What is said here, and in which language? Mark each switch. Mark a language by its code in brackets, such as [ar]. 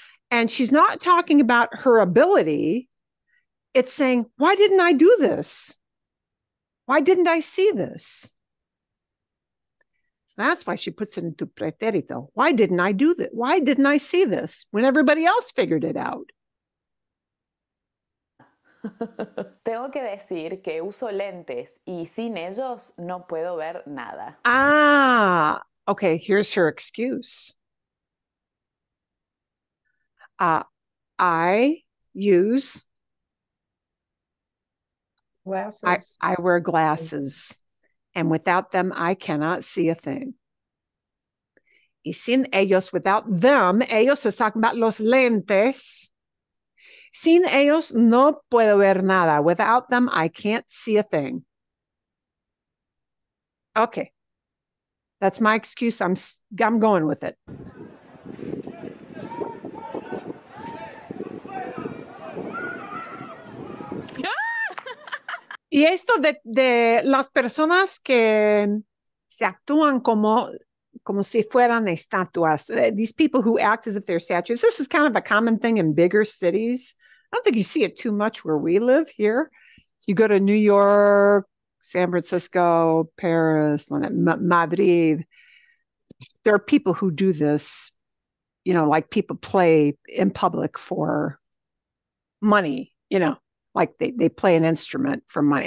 [en] And she's not talking about her ability. It's saying, why didn't I do this? Why didn't I see this? So that's why she puts it into pretérito. Why didn't I do that? Why didn't I see this when everybody else figured it out? [es] Tengo que decir que uso lentes y sin ellos no puedo ver nada. [en] Ah, okay, here's her excuse. I use glasses. I wear glasses, and without them, I cannot see a thing. [es] Y sin ellos, [en] without them, ellos is talking about [es] los lentes. Sin ellos, no puedo ver nada. [en] Without them, I can't see a thing. Okay. That's my excuse. I'm going with it. [es] Y esto de las personas que se actúan como si fueran estatuas. [en] These people who act as if they're statues. This is kind of a common thing in bigger cities. I don't think you see it too much where we live here. You go to New York, San Francisco, Paris, Madrid. There are people who do this, you know, like people play in public for money, you know, like they play an instrument for money.